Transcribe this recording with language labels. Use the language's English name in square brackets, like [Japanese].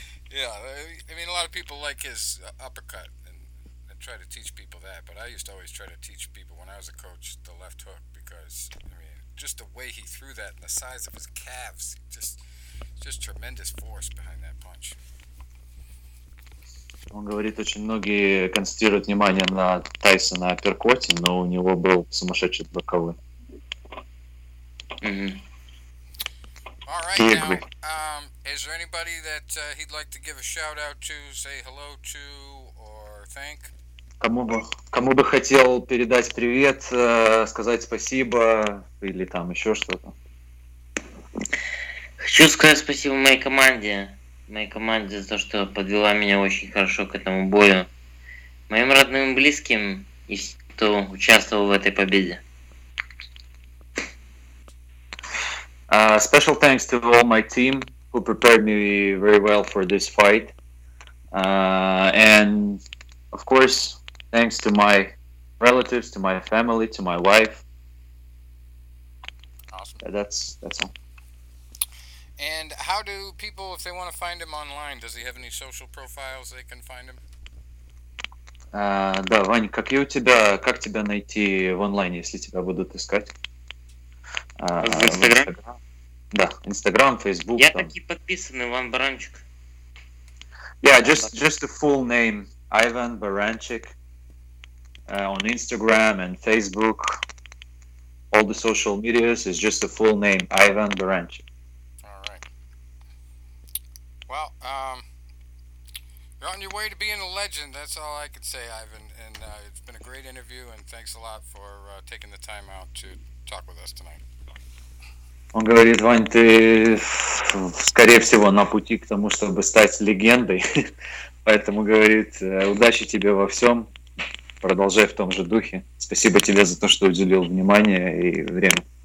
[English] Yeah, I mean, a lot of people like his uppercut and try to teach people that, but I used to always try to teach people when I was a coach the left hook because, I mean, just the way he threw that and the size of his calves, just tremendous force behind that punch. [Russian] Он говорит, очень многие концентрируют внимание на Тайсона апперкоте, но у него был сумасшедший боковой. [English] All right, now, is there anybody that he'd like to give a shout out to, say hello to, or thank? [Russian] Кому бы хотел передать привет, сказать спасибо или там еще что-то? Хочу сказать спасибо моей команде за то, что подвела меня очень хорошо к этому бою, моим родным и близким, и кто участвовал в этой победе. [English] Special thanks to all my team who prepared me very well for this fight. And of course, thanks to my relatives, to my family, to my wife. Awesome. Yeah, that's all. And how do people, if they want to find him online, does he have any social profiles they can find him? [Russian] Да, Вань, как тебя найти в онлайне, если тебя будут искать? В Instagram? Да, Instagram, Facebook. Я так и подписан, Иван Баранчик. [English] Yeah, just the full name, Ivan Baranchik, on Instagram and Facebook. All the social medias is just the full name, Ivan Baranchik. All right. Well, you're on your way to being a legend. That's all I can say, Ivan. And it's been a great interview, and thanks a lot for taking the time out to talk with us tonight. [Russian] Он говорит, Вань, ты, скорее всего, на пути к тому, чтобы стать легендой. Поэтому, говорит, удачи тебе во всем. Продолжай в том же духе. Спасибо тебе за то, что уделил внимание и время.